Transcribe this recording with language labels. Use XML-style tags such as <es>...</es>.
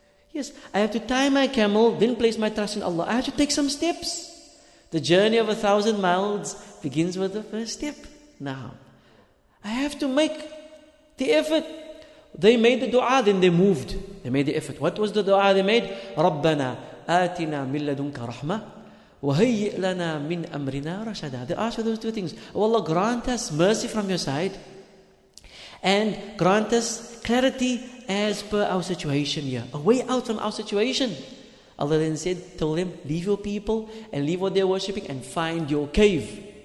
<en>Yes, I have to tie my camel, then place my trust in Allah. I have to take some steps. The journey of 1,000 miles begins with the first step. Now, I have to make the effort. They made the dua, then they moved. They made the effort. What was the dua they made?</en> <ar>رَبَّنَا آتِنَا مِنْ لَدُنْكَ رَحْمَةً وَهَيِّئْ لَنَا مِنْ أَمْرِنَا رَشَدًا</ar> <en>They asked for those two things. Oh Allah, grant us mercy from your side and grant us clarity as per our situation here. A way out from our situation. Allah then said, tell them, leave your people and leave what they're worshipping and find your cave.</en>